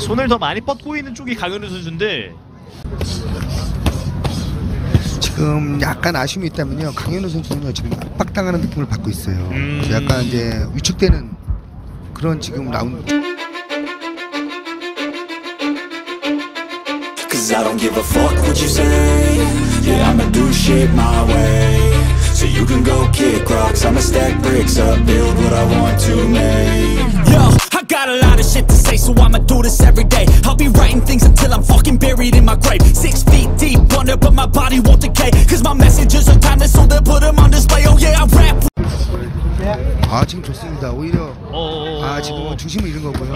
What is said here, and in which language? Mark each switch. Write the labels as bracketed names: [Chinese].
[Korean] 손을 더 많이 뻗고 있는 쪽이 강현우 선수인데 지금 약간 아쉬움이 있다면요, 강현우 선수는 지금 압박당하는 느낌을 받고 있어요. 약간 이제 위축되는 그런 지금 라운드. [English] 'Cause I don't give a fuck what you say. Yeah, I'ma do shit my way. So you can go kick rocks. I'ma stack bricks up, build what I want to make. Yo, I got a lot of shit to say, so I'ma do this every day. I'll be writing things until I'm fucking buried in my grave. 6 feet deep under, but my body won't decay. 'Cause my messages are timeless, so they'll put them on display. Oh yeah, I rap. [Korean] 아, 지금 좋습니다. 오히려 아, 지금 중심을 잃은 거고요.